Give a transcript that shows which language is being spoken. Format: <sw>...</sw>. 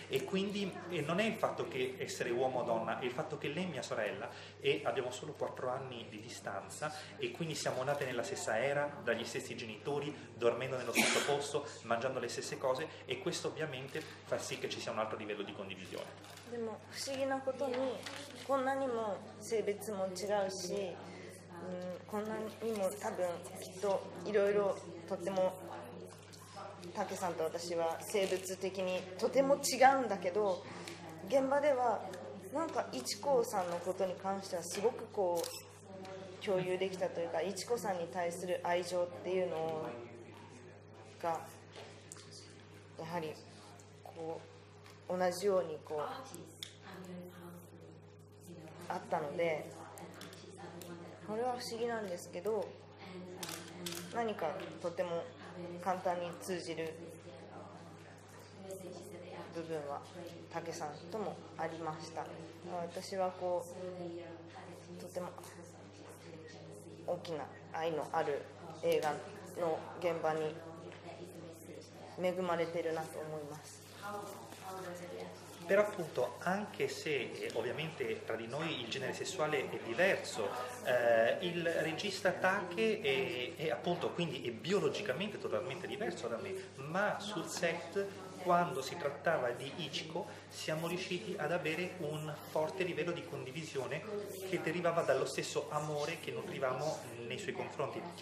<it>E quindi non è il fatto che essere uomo o donna, è il fatto che lei è mia sorella e abbiamo solo 4 anni di distanza, e quindi siamo nate nella stessa era, dagli stessi genitori, dormendo nello stesso posto, mangiando le stesse cose, e questo ovviamente fa sì che ci sia un altro livello di condivisione.</it> <ja>でも不思議なことにこんなにも性別も違うし、こんなにも多分きっといろいろとっても竹さんと私は生物的にとても違うんだけど、現場ではなんか一子さんのことに関してはすごくこう共有できたというか、一子さんに対する愛情っていうのがやはりこう同じようにこうあったので、これは不思議なんですけど、何かとても簡単に通じる部分は竹さんともありました。私はこうとても大きな愛のある映画の現場に恵まれてるなと思います。</ja> <it>Però appunto, anche se ovviamente tra di noi il genere sessuale è diverso, il regista Take è appunto, quindi è biologicamente totalmente diverso da me, ma sul set, quando si trattava di Ichiko, siamo riusciti ad avere un forte livello di condivisione che derivava dallo stesso amore che nutrivamo nei suoi confronti.</it>